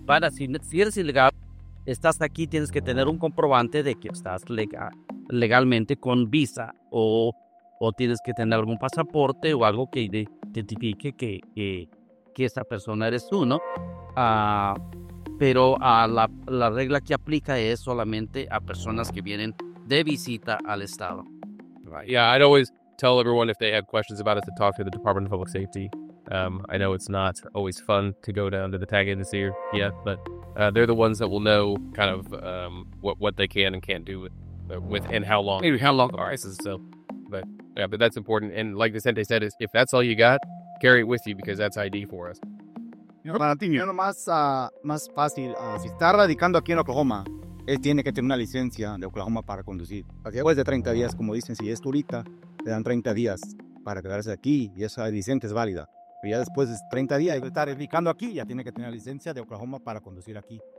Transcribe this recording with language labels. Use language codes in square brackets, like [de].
[es] Para si eres ilegal, estás aquí, tienes que tener un comprobante de que estás legalmente con visa o tienes que tener algún pasaporte o algo que identifique que esa persona eres tú, ¿no? Pero la regla que aplica es solamente a personas que vienen de visita al estado. [en] Right. Yeah, I'd always tell everyone if they have questions about it to talk to the Department of Public Safety. I know it's not always fun to go down to the tag agency yet, but they're the ones that will know kind of what they can and can't do with and how long. Maybe how long. All right. But that's important. And like Vicente said, is if that's all you got, carry it with you because that's ID for us. [es] Para ti, no más fácil. Si está radicando aquí en Oklahoma, él tiene que tener una licencia de Oklahoma para conducir. Después de 30 días, como dicen, si es turista, le dan 30 días para quedarse aquí y esa licencia es válida. Ya después de 30 días de estar radicando aquí, ya tiene que tener licencia de Oklahoma para conducir aquí.